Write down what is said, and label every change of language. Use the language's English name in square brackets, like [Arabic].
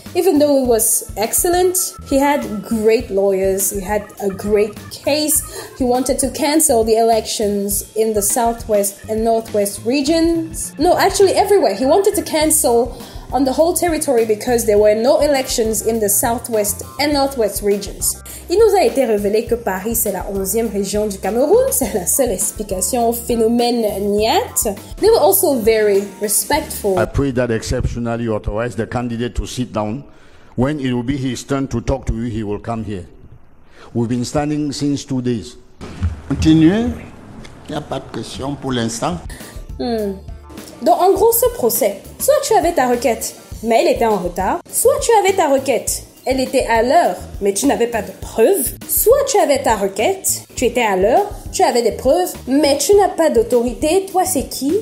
[English] Even though it was excellent, he had great lawyers, he had a great case. He wanted to cancel the elections in the Southwest and Northwest regions. No, actually everywhere. He wanted to cancel on the whole territory because there were no elections in the Southwest and Northwest regions. [French] Il nous a été révélé que Paris, c'est la 11e région du Cameroun. C'est la seule explication au phénomène Niat. [English] They were also very respectful. I pray that exceptionally authorized the candidate to sit down. When it will be his turn to talk to you, he will come here. We've been standing since 2 days. [French] Continuez. Il n'y a pas de question pour l'instant. Donc, en gros, ce procès, soit tu avais ta requête, mais elle était en retard, soit tu avais ta requête, elle était à l'heure, mais tu n'avais pas de preuves. Soit tu avais ta requête, tu étais à l'heure, tu avais des preuves, mais tu n'as pas d'autorité, toi c'est qui?